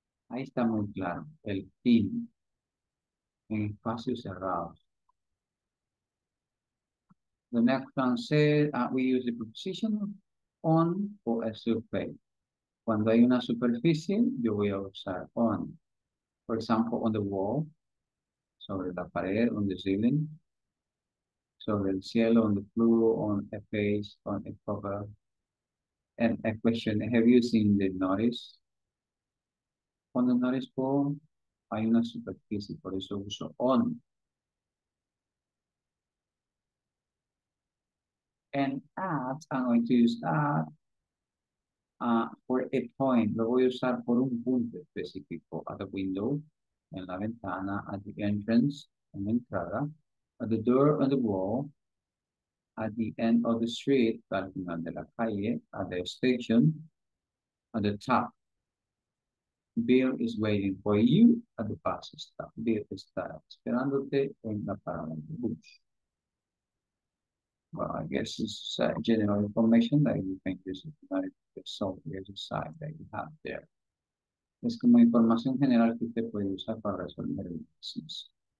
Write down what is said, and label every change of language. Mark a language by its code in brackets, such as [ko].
[es] Ahí está muy claro, el in, en espacios cerrados. [en] The next one says, we use the preposition on for a surface. [es] Cuando hay una superficie, yo voy a usar on. [en] For example, on the wall, [es] sobre la pared, [en] on the ceiling, [es] sobre el cielo, [en] on the floor, on a face, on a cover. And a question, have you seen the notice? On the notice board, [es] hay una superficie, por eso uso on. [en] And at, I'm going to use at for a point. [es] Lo voy a usar por un punto específico, [en] at the window, [es] en la ventana, [en] at the entrance, [es] en la entrada, [en] at the door, on the wall, at the end of the street, [es] al final de la calle, [en] at the station, at the top. Bill is waiting for you at the bus stop. [es] Bill está esperándote en la parada de bus. [en] Well, I guess this is general information that you can use if you want to solve the exercise that you have there. [es] Es como información general que usted puede usar para resolver el business.